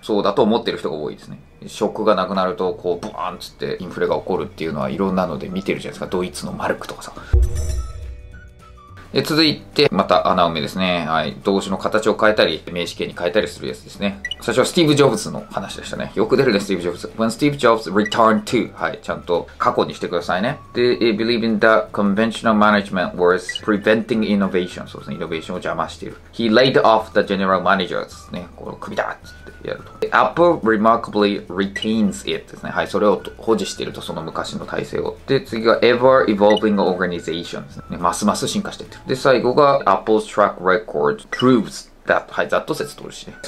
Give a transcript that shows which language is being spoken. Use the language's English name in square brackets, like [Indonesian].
[Japanese] そうだと思ってる人が多いですね。職がなくなるとこうブワーンつってインフレが起こるっていうのはいろんなので見てるじゃないですか。ドイツのマルクとかさ。で続いてまた穴埋めですね。はい、動詞の形を変えたり名詞形に変えたりするやつですね。最初はスティーブ・ジョブズの話でしたね。よく出るね、スティーブ・ジョブズ。 [English] When Steve Jobs returned to、 [Japanese] はい、ちゃんと過去にしてくださいね。 [English] They believe in that conventional management was preventing innovation。 [Japanese] そうですね、イノベーションを邪魔している。 [English] He laid off the general managers [Japanese] ね、このクビだってやると。 [English] Apple remarkably retains it [Japanese] ですね。はい、それを保持していると、その昔の体制を。で次が [English] ever evolving organization [Japanese] ですね。ますます進化していってる。で最後が [English] Apple's track record proves that、 [Japanese] はい、ざっと説通るしね。